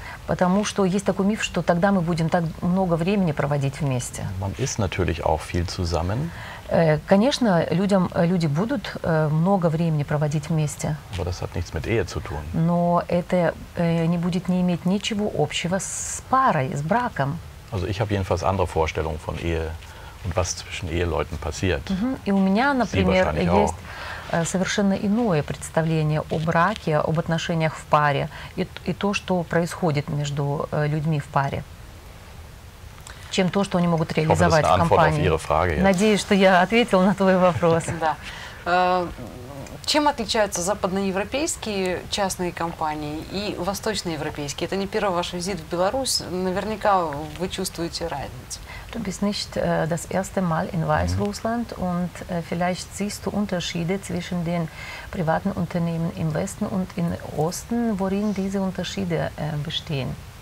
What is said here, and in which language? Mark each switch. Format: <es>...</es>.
<ru>Потому что есть такой миф, что тогда мы будем так много времени проводить вместе.</ru> <de>Man ist natürlich auch viel zusammen.</de> <ru>Конечно, люди будут много времени проводить вместе.</ru> <de>Aber das hat nichts mit Ehe zu tun.</de> <ru>Но это не будет не иметь ничего общего с парой, с браком.</ru> <de>Also ich habe jedenfalls andere Vorstellungen von Ehe und was zwischen Eheleuten passiert.</de> <ru>И у меня, например, есть совершенно иное представление о браке, об отношениях в паре и то, что происходит между людьми в паре. Чем то, что они могут реализовать в компании. Надеюсь, что я ответил на твой вопрос. Да. Чем отличаются западноевропейские частные компании и восточноевропейские? Это не первый ваш визит в Беларусь. Наверняка вы чувствуете разницу.</ru> <de>Du bist nicht das erste Mal in Weißrussland und vielleicht siehst du Unterschiede zwischen den privaten Unternehmen im Westen und im Osten. Worin diese Unterschiede bestehen?</de>